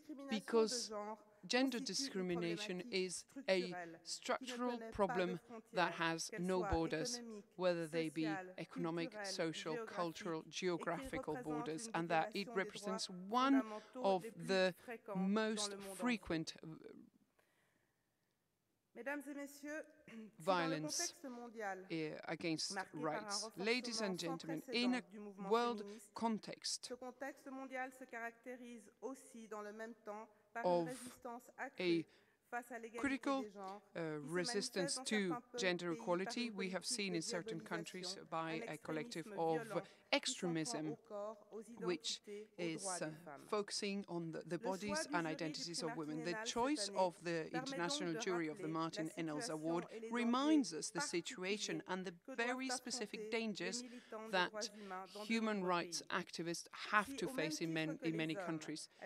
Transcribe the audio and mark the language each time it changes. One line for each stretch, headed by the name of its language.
English: Because gender discrimination is a structural problem that has no borders, whether they be economic, social, cultural, geographical borders, and that it represents one of the most frequent violence against rights. Ladies and gentlemen, in a world context,
French: ce contexte mondial se caractérise aussi dans le même temps
English: of a critical resistance to gender equality we have seen in certain countries by a collective of extremism, which is focusing on the bodies and identities of women. The choice of the International Jury of the Martin Ennals Award reminds us the situation and the very specific dangers that human rights activists have to face in many countries.